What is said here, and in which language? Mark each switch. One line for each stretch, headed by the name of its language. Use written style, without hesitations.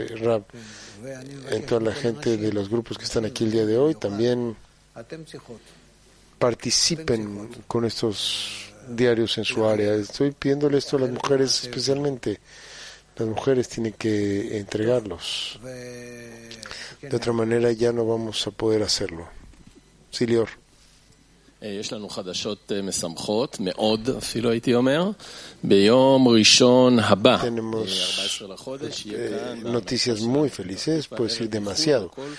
Spanish: Rab, en toda la gente de los grupos que están aquí el día de hoy, también participen con estos diarios en su área. Estoy pidiéndole esto a las mujeres especialmente. Las mujeres tienen que entregarlos. De otra manera ya no vamos a poder hacerlo. Sí, Lior.
Hebrew: יש לנו חדשות מסמכות מאוד אפילו הייתי אומר ביום ראשון הבא
Spanish: tenemos noticias muy felices, puede ser demasiado.